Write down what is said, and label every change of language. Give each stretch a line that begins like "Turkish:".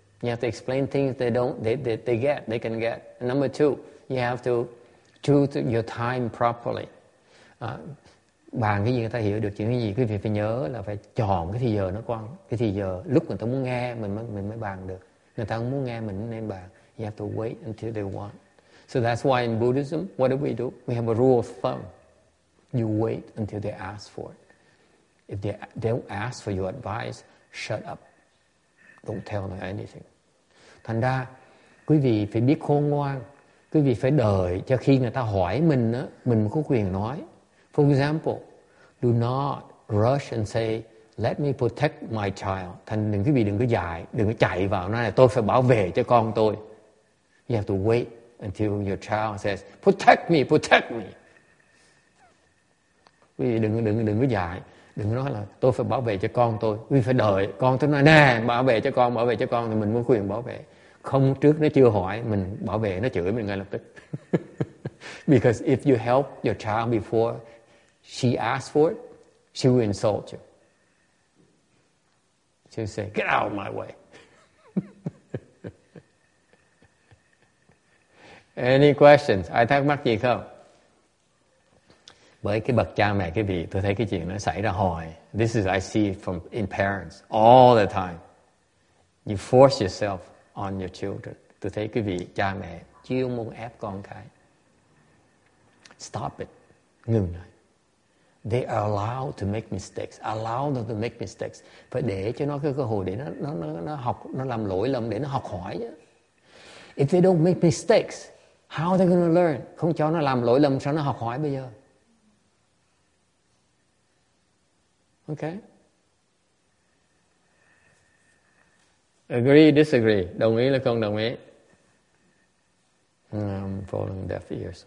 English: You have to explain things they can get. And number two, you have to choose your time properly.
Vietnamese: Bàn cái gì người ta hiểu được, chuyện cái gì quý vị phải nhớ là phải chọn cái thời giờ nó quan, cái thời giờ lúc người ta muốn nghe mình mới bàn được. Người ta không muốn nghe mình nên bàn.
English: You have to wait until they want. So that's why in Buddhism, what do? We have a rule of thumb. You wait until they ask for it. If they don't ask for your advice, shut up. Don't tell them anything.
Vietnamese: Thành ra, quý vị phải biết khôn ngoan. Quý vị phải đợi cho khi người ta hỏi mình á, mình có quyền nói.
English: For example, do not rush and say, let me protect my child.
Vietnamese: Thành đừng quý vị đừng có dài, đừng có chạy vào nói là tôi phải bảo vệ cho con tôi.
English: You have to wait until your child says, protect me, protect me.
Vietnamese: Quý vị đừng có dạy, đừng nói là tôi phải bảo vệ cho con tôi. Quý vị phải đợi con tôi nói nè, bảo vệ cho con thì mình mới quyền bảo vệ. Không, trước nó chưa hỏi mình bảo vệ, nó chửi mình ngay lập tức.
English: Because if you help your child before she asks for it, she will insult you. She'll say, get out of my way. Any questions?
Vietnamese: Ai thắc mắc gì không? Với cái bậc cha mẹ cái vị, tôi thấy cái chuyện nó xảy ra hồi.
English: This is I see from in parents all the time. You force yourself on your children.
Vietnamese: Tôi thấy cái vị cha mẹ chiêu muốn ép con cái.
English: Stop it.
Vietnamese: Ngừng lại.
English: They are allowed to make mistakes. Allow them to make mistakes.
Vietnamese: Phải để cho nó cái cơ hội để nó học, nó làm lỗi lầm, để nó học hỏi.
English: If they don't make mistakes, how they gonna learn?
Vietnamese: Không cho nó làm lỗi lầm, sao nó học hỏi bây giờ?
English: Okay. Agree, disagree.
Vietnamese: Đồng ý là không đồng ý.
English: I'm falling deaf ears.